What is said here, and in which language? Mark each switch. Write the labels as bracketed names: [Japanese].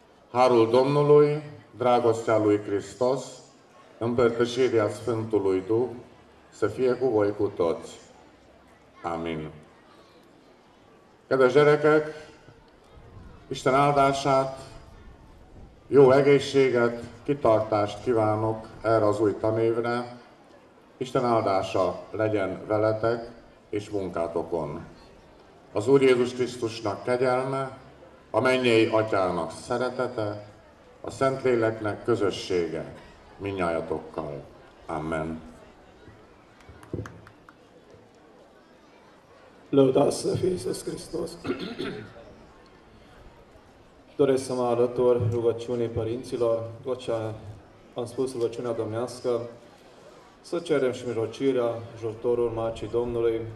[Romanian] Harul Domnului, dragostea lui Hristos, împărtășirea Sfântului Duh, să fie cu voi cu toți. Amin. Că de jerecăc, ișteneal de așat, [Hungarian] Jó egészséget, kitartást kívánok erre az új tanévre. Isten áldása legyen veletek és munkátokon. Az Úr Jézus Krisztusnak kegyelme, a mennyei Atyának szeretete, a Szentléleknek közössége mindnyájatokkal. Amen. [Romanian] Lăudați să fie Iisus Hristos! Doresc să mă alătur rugăciunii părinților, tot ce am spus rugăciunea domnească, să cerem și mijlocirea ajutorul Maicii Domnului.